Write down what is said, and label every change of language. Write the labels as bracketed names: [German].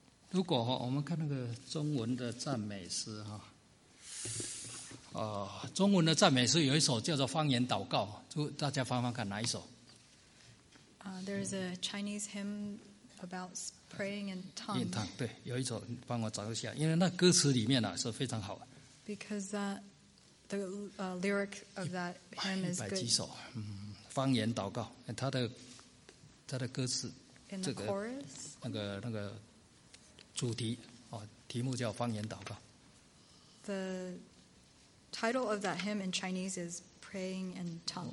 [Chinese] 如果我们看那个中文的赞美诗，中文的赞美诗有一首叫做方言祷告，大家翻翻看哪一首。 [English] There is a Chinese hymn about praying in tongues. In tongues, [Chinese] 对，有一首，帮我找一下，因为那歌词里面呢，是非常好。 [English] Because the lyric of that hymn is good. [Chinese] 一百几首，方言祷告，它的歌词，这个 [English] chorus? [Chinese] 那个主题，题目叫方言祷告。 [English] The title of that hymn in Chinese is Praying in Tongues.